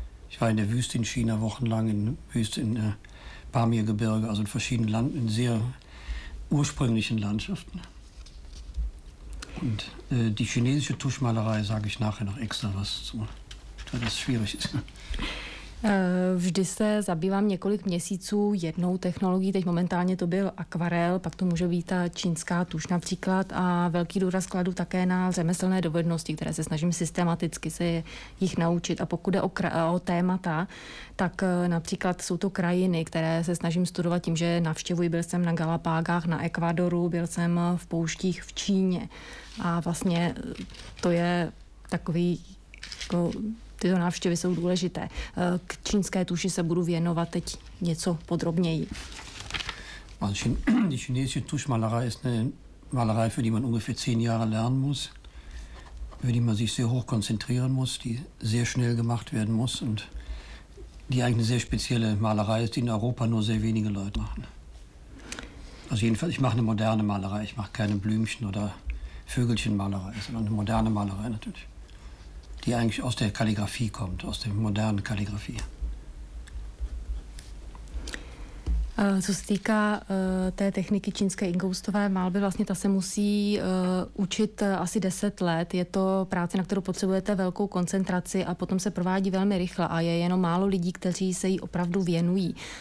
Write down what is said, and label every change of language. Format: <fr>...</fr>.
<de>Ich war in der Wüste in China wochenlang, in der Wüste in der Pamirgebirge, also in verschiedenen Landen, in sehr ursprünglichen Landschaften. Und die chinesische Tuschmalerei sage ich nachher noch extra was zu, weil das schwierig ist.</de> <cs>Vždy se zabývám několik měsíců jednou technologií, teď momentálně to byl akvarel, pak to může být ta čínská tuš například a velký důraz kladu také na řemeslné dovednosti, které se snažím systematicky se jich naučit. A pokud jde o témata, tak například jsou to krajiny, které se snažím studovat tím, že navštěvuji, byl jsem na Galapágách, na Ekvadoru, byl jsem v pouštích v Číně a vlastně to je takový... Jako, tyto návštěvy jsou důležité. K čínské tuši se budu věnovat teď něco podrobněji.</cs> <de>Die chinesische Tuschmalerei ist eine Malerei, für die man ungefähr 10 Jahre lernen muss, für die man sich sehr hoch konzentrieren muss, die sehr schnell gemacht werden muss und die eigentlich eine sehr spezielle Malerei ist, die in Europa nur sehr wenige Leute machen. Also jedenfalls, ich mache eine moderne Malerei, ich mache keine Blümchen- oder Vögelchenmalerei, sondern eine moderne Malerei natürlich. Die eigentlich aus der Kalligraphie kommt, aus der modernen Kalligraphie.</de> <cs>Co se týká té techniky čínské inkoustové malby, vlastně ta se musí učit asi 10 let. Je to práce, na kterou potřebujete velkou koncentraci a potom se provádí velmi rychle a je jenom málo lidí, kteří se jí opravdu věnují.</cs>